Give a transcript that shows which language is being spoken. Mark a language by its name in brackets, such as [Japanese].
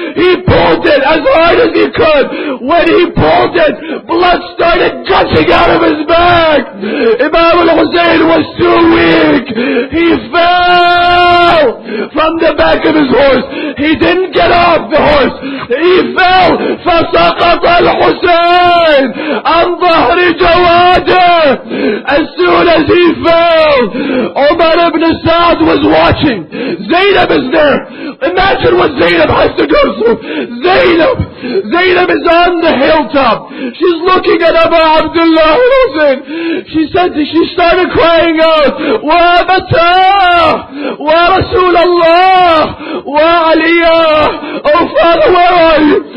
[English] He pulled it as hard as he could. When he pulled it, blood started gushing out of his back. Imam al-Hussein was too weak. He fell from the back of his horse. He didn't get off the horse. He fell. [Arabic] فسقط الحسين عن ظهر جواده. [English] As soon as he fell, Umar ibn Sa'd was watching. Zainab is there. Imagine what Zainab has to go through. Zainab is on the hilltop. She's looking at Abu Abdullah al-Hussein. She started crying out, "Wa Abata, wa Rasulallah, wa Aliyah, oh Father, where are you?